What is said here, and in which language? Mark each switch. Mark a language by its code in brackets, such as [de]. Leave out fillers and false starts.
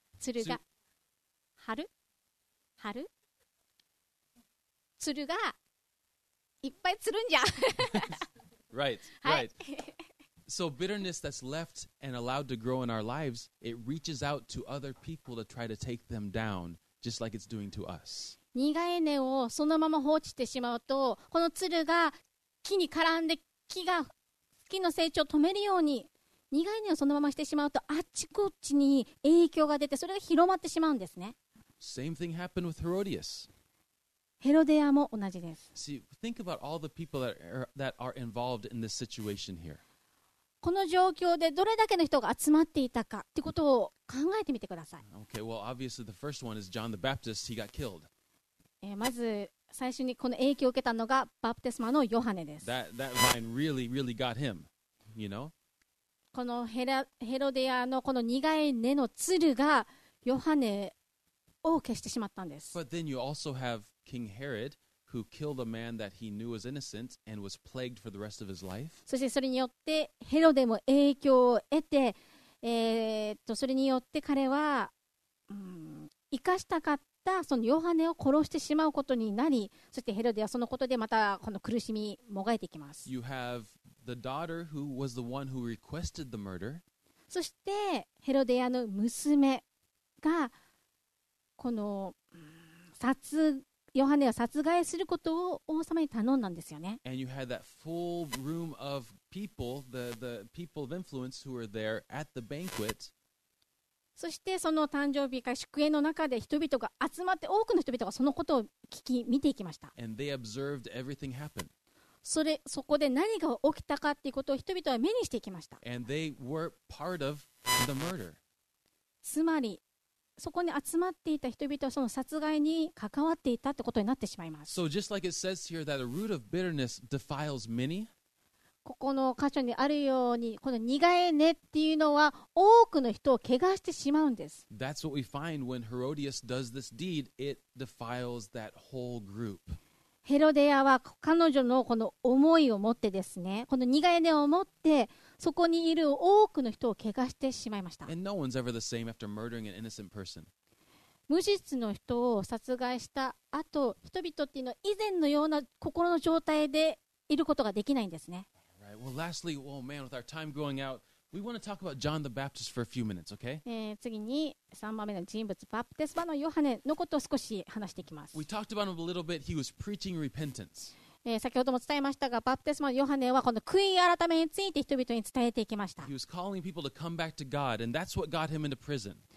[ja] つるが、張る？張る？つるが、いっぱいつるんじゃん。 [en] Right, right. So bitterness that's left and allowed to grow in our lives, it reaches out to other people to try to take them down, just like it's doing to us. [ja] 苦い根をそのまま放置してしまうと、このつるが木に絡んで木の成長を止めるように、苦い根をそのまましてしまうと、あっちこっちに影響が出て、それが広まってしまうんですね。 [en] Same thing happened with Herodias. [ja] ヘロデアも同じです。 [en] See, think about all the people that are involved in this situation here. [ja] この状況でどれだけの人が集まっていたかってことを考えてみてください。 [en] Okay, well, obviously the first one is John the Baptist. He got killed. [ja] まず最初にこの影響を受けたのがバプテスマのヨハネです。 [en] That vine really, really got him, you know? [ja] このヘロデアのこの苦い根のつるがヨハネを消してしまったんです。 [en] But then you also have King Herod. Who killed a man that he knew was innocent and was plagued for the rest of his life? [ja] そしてそれによってヘロデも影響を得て、それによって彼は、生かしたかったそのヨハネを殺してしまうことになり、そしてヘロデはそのことでまたこの苦しみもがいていきます。 [en] You have the daughter who was the one who requested the murder. [ja] そしてヘロデアの娘がこの、殺ヨハネを殺害することを王様に頼んだんですよね。 [en] And you had that full room of people, the people of influence who were there at the banquet. [ja] そしてその誕生日会祝宴の中で人々が集まって、多くの人々がそのことを見ていきました。 [en] And they observed everything happen. [ja] そこで何が起きたかっていうことを人々は目にしていきました。 [en] And they were part of the murder. [ja] つまりそこに集まっていた人々はその殺害に関わっていたってことになってしまいます。 [en] So just like it says here that a root of bitterness defiles many、 [ja] ここの箇所にあるようにこの苦い根っていうのは多くの人を怪我してしまうんです。 [en] That's what we find when Herodias does this deed. It defiles that whole group. [ja] ヘロデアは彼女のこの思いを持ってですね、この苦い根を持ってそこにいる多くの人を怪我してしまいました。 [en] And no one's ever the same after murdering an innocent person. [ja] 無実の人を殺害した後、人々っていうのは以前のような心の状態でいることができないんですね。 [en] Well, lastly, oh man, with our time going out, we want to talk about John the Baptist for a few minutes, okay? [ja] 次に3番目の人物、バプテスマのヨハネのことを少し話していきます。 [en] We talked about him a little bit. He was preaching repentance. [ja] 先ほども伝えましたが、バプテスマのヨハネはこの悔い改めについて人々に伝えていきました。 [en] He was calling people to come back to God, and that's what got him into prison.